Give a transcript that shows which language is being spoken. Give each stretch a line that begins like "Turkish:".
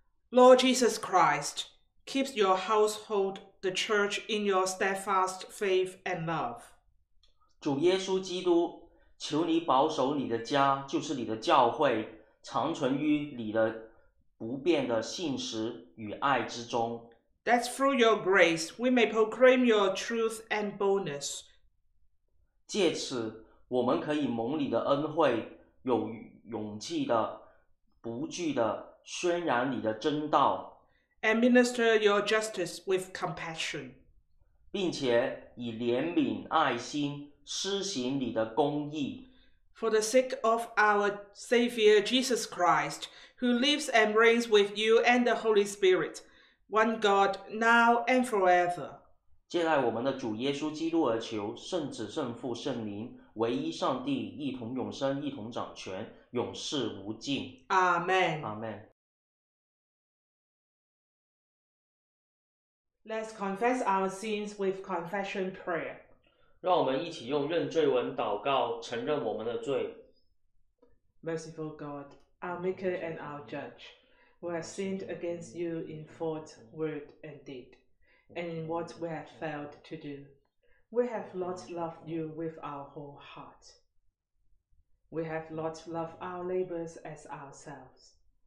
English: Lord Jesus Christ, keep your household, the church, in your steadfast faith and love.
Chinese: 主耶稣基督，求你保守你的家，就是你的教会，长存于你的不变的信实与爱之中。
English: That through your grace, we may proclaim your truth and boldness.
Chinese: 借此，我们可以蒙你的恩惠，有勇气的、不惧的宣扬你的真道
English: ，and minister your justice with compassion，
Chinese: 并且以怜悯爱心施行你的公义。
English: For the sake of our Savior Jesus Christ, who lives and reigns with you and the Holy Spirit, one God now and forever，
Chinese: 借赖我们的主耶稣基督而求，圣子、圣父、圣灵。唯一上帝，一同永生，一同掌权，永世无尽。阿门。阿门。
English: Let's confess our sins with confession prayer.
Chinese: 让我们一起用认罪文祷告，承认我们的罪。
English: Merciful God, our Maker and our Judge, we have sinned against you in thought, word, and deed, and in what we have failed to do. We have not loved you with our whole heart. We have not loved our neighbors as ourselves.